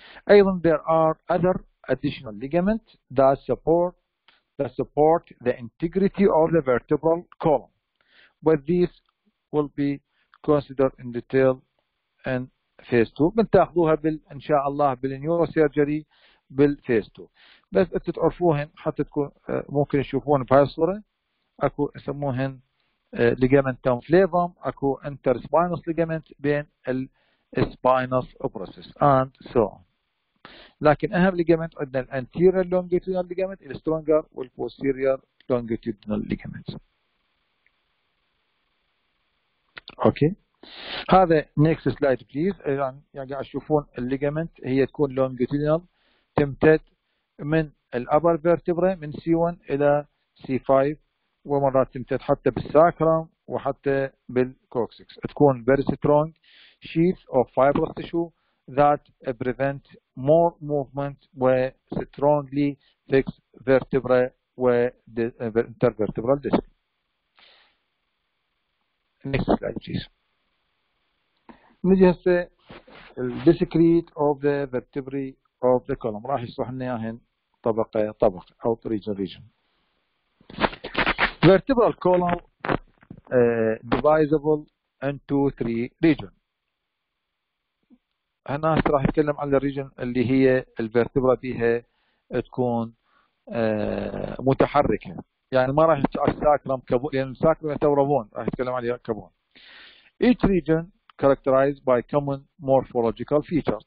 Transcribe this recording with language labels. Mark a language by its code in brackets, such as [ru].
[ar] أيضا [en] there are other additional ligaments that support the integrity of the vertebral column, but these will be considered in detail in phase 2. [ar] بنتاخذوها إن شاء الله بالنيوروسيرجري بالفيس 2، بس تتعرفوهن حتى تكون ممكن تشوفون بهاي الصورة اكو يسموهن ليجامنت تون فليفوم، اكو انتر سباينوس ليجامنت بين السباينوس اوبروسس اند سو اون. لكن اهم ليجامنت عندنا الانتيريور لونجيتودينال ليجامنت السترونجر والبوستيريور لونجيتودينال ليجامنت. اوكي هذا نيكست سلايد بليز. يعني قاعد تشوفون الليجامنت هي تكون لونجيتودينال تمتد من الابر فيرتبرا من سي 1 الى سي 5 ومرات تمتد حتى بالساكرام وحتى بالكوكسكس. تكون [en] very strong sheath of fibrous tissue that prevent more movement where strongly fixed vertebra and intervertebral disc. Next slide please. [ar] نجي هسه الديسكريت اوف ذا فيرتبري اوف ذا كولوم، راح يشرح لنا اياهن طبقه طبقه او ريجن ريجن. [en] Vertebral column divisible into three region. [ar] هنا راح نتكلم عن الريجن اللي هي الفيرتبرا فيها تكون متحركة، يعني ما راح نتكلم عن الساكرم كبون، لأن الساكرم يعتبر بون، راح نتكلم عليها كبون. [en] Each region characterized by common morphological features.